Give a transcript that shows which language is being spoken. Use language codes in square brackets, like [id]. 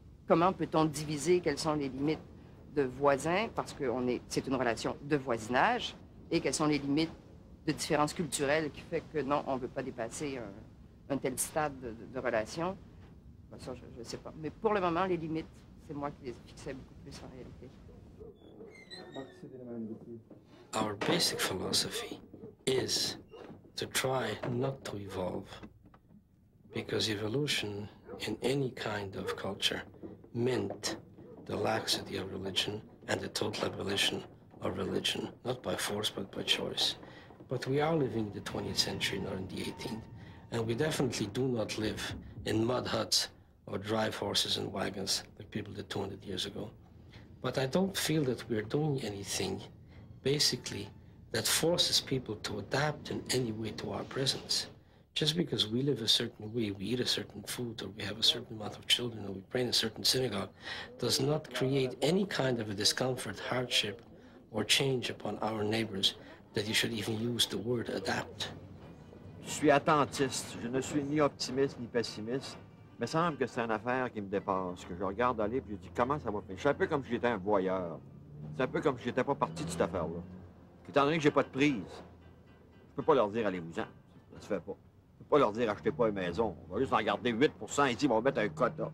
[fr] Comment peut-on diviser quelles sont les limites de voisins, parce que c'est une relation de voisinage, et quelles sont les limites de différence culturelle qui fait que non, on ne veut pas dépasser un tel stade de relation. Ben ça, je ne sais pas. Mais pour le moment, les limites, c'est moi qui les fixais beaucoup plus en réalité. [en] Our basic philosophy is to try not to evolve, because evolution in any kind of culture meant the laxity of religion and the total abolition of religion, not by force, but by choice. But we are living in the 20th century, not in the 18th, and we definitely do not live in mud huts or drive horses and wagons like people did 200 years ago. But I don't feel that we're doing anything, basically, that forces people to adapt in any way to our presence. Just because we live a certain way, we eat a certain food, or we have a certain amount of children, or we pray in a certain synagogue, does not create any kind of a discomfort, hardship, or change upon our neighbors that you should even use the word adapt. [fr] Je suis attentiste. Je ne suis ni optimiste ni pessimiste. Mais semble que c'est une affaire qui me dépasse, que je regarde aller puis je dis comment ça va faire. C'est un peu comme si j'étais un voyeur. C'est un peu comme si j'étais pas parti de cette affaire-là. Étant donné que j'ai pas de prise, je peux pas leur dire allez-vous-en. Ça se fait pas. Je peux pas leur dire achetez pas une maison. On va juste en garder 8% et dire on va mettre un quota.